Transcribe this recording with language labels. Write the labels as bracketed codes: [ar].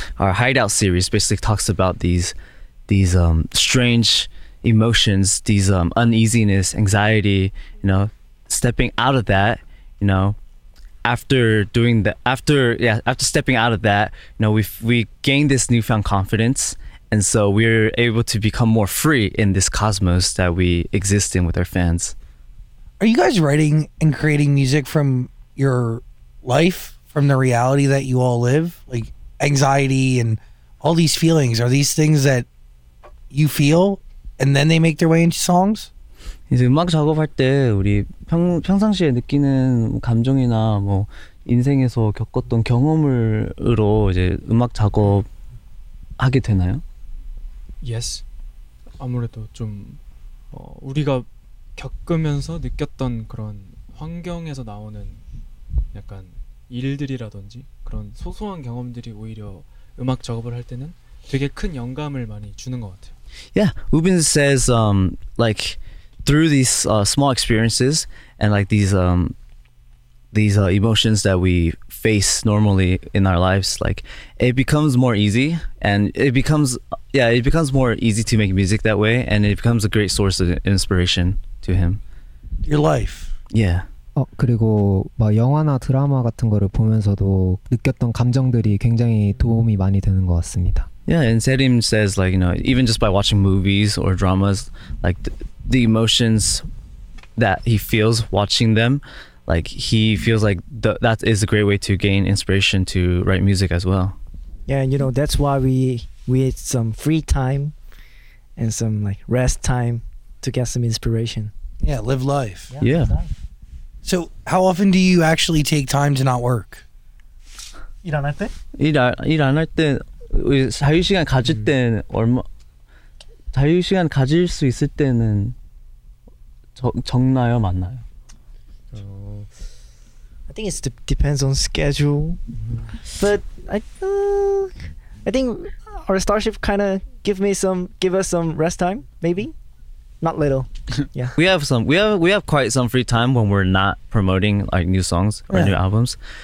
[en] Our Hideout series basically talks about these strange emotions, these uneasiness, anxiety, you know, stepping out of that, you know, after stepping out of that, you know, we gained this newfound confidence, and so we're able to become more free in this cosmos that we exist in with our fans. Are you guys writing and creating music from your life, from the reality that you all live? Like, anxiety and all these feelings, are these things that you feel? And then they make their way into songs. [ko] 이제 음악 작업할 때 우리 평상시에 느끼는 감정이나 뭐 인생에서 겪었던 경험으로 이제 음악 작업 하게 되나요? [en] Yes. [ko] 아무래도 좀 우리가 겪으면서 느꼈던 그런 환경에서 나오는 약간 일들이라든지 그런 소소한 경험들이 오히려 음악 작업을 할 때는 되게 큰 영감을 많이 주는 것 같아요. [en] Yeah, Ubin says like through these small experiences and like these emotions that we face normally in our lives, like it becomes more easy and it becomes more easy to make music that way, and it becomes a great source of inspiration to him. Your life. Yeah. [ko] 그리고 막 영화나 드라마 같은 거를 보면서도 느꼈던 감정들이 굉장히 도움이 많이 되는 것 같습니다. [en] Yeah, and Serim says, like, you know, even just by watching movies or dramas, like, the emotions that he feels watching them, like, he feels like that is a great way to gain inspiration to write music as well. Yeah, and, you know, that's why we had some free time and some, like, rest time to get some inspiration. Yeah, live life. Yeah. So, how often do you actually take time to not work? [ko] 일 안 할 때? 자유시간 가질 때는 얼마 자유시간 가질 수 있을 때는 적나요 많나요? [en] I think it depends on schedule. But I think our starship kind of give us some rest time, maybe. Not little. Yeah. we have quite some free time when we're not promoting like new songs or new albums.